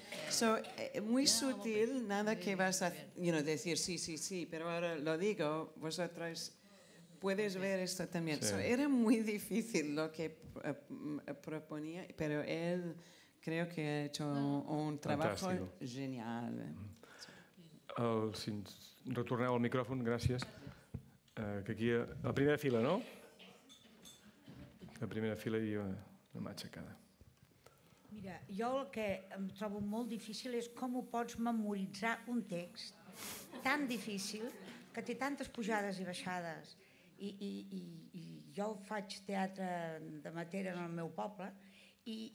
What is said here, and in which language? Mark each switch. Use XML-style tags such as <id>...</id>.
<es>So muy sutil, nada que vas a,</es> <en>you know,</en> <es>decir sí, pero ahora lo digo, vosotros puedes ver esto también. Sí. So, era muy difícil lo que proponía, pero él creo que ha hecho un trabajo fantástico. Genial.</es> <ca>Si retorneu al micròfon, gràcies. Que aquí a la primera fila, no? La primera fila i la mà aixecada. Mira, jo el que em trobo molt difícil és com ho pots memoritzar un text tan difícil que té tantes pujades i baixades. I jo faig teatre de matera en el meu poble. I</ca>